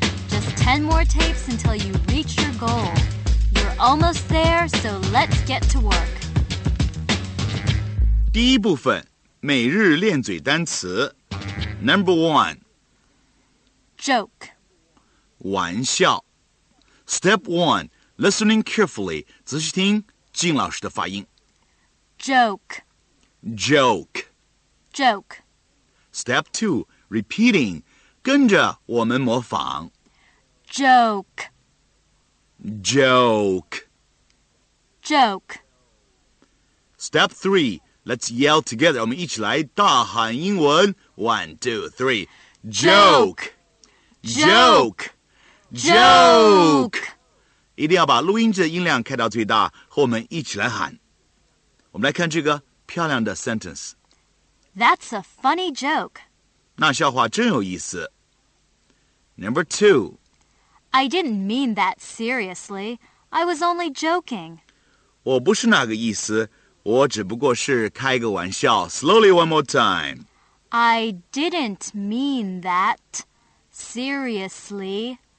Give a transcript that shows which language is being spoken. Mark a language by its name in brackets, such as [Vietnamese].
[English] Just 10 more tapes until you reach your goal. You're almost there, so let's get to work. [Chinese] 第一部分，每日练嘴单词。 [English] Number one. Joke. [Chinese] 玩笑。 [English] Step one, listening carefully. [Chinese] 仔细听静老师的发音。 [English] Joke. Joke. Joke. Step 2. Repeating. [Chinese] 跟着我们模仿。 [English] Joke. Joke. Joke. Step 3. Let's yell together. [Chinese] 我们一起来大喊英文。 [English] One, two, three. Joke. Joke. Joke. [Chinese] Joke. 一定要把录音机的音量开到最大，和我们一起来喊。我们来看这个漂亮的 sentence. [English] That's a funny joke. [Chinese] 那笑话真有意思。 [English] Number two. I didn't mean that seriously. I was only joking. [Chinese] 我不是那个意思，我只不过是开个玩笑。 [English] Slowly one more time. I didn't mean that seriously.